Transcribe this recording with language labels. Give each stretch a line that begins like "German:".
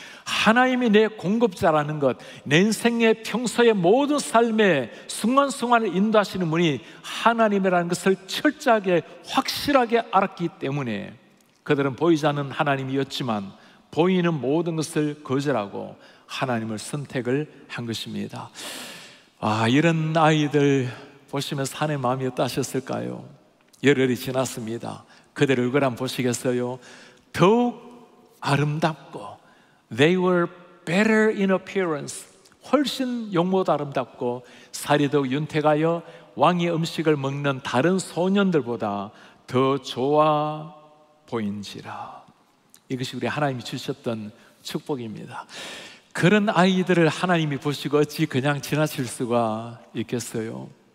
Korean: 하나님이 내 공급자라는 것, 내 인생의 평소의 모든 삶의 순간순간을 인도하시는 분이 하나님이라는 것을 철저하게 확실하게 알았기 때문에 그들은 보이지 않는 하나님이었지만 보이는 모든 것을 거절하고 하나님을 선택을 한 것입니다. 아, 이런 아이들 보시면서 하나님 마음이 어떠셨을까요? 열흘이 지났습니다. 그들 얼굴 한번 보시겠어요? 더욱 아름답고
English: They were better in appearance.
Korean: 훨씬 용모도 아름답고 살이 더욱 윤택하여 왕의 음식을 먹는 다른 소년들보다 더 좋아 보인지라. 이것이 우리 하나님이 주셨던 축복입니다. 그런 아이들을 하나님이 보시고 어찌 그냥 지나칠 수가 있겠어요?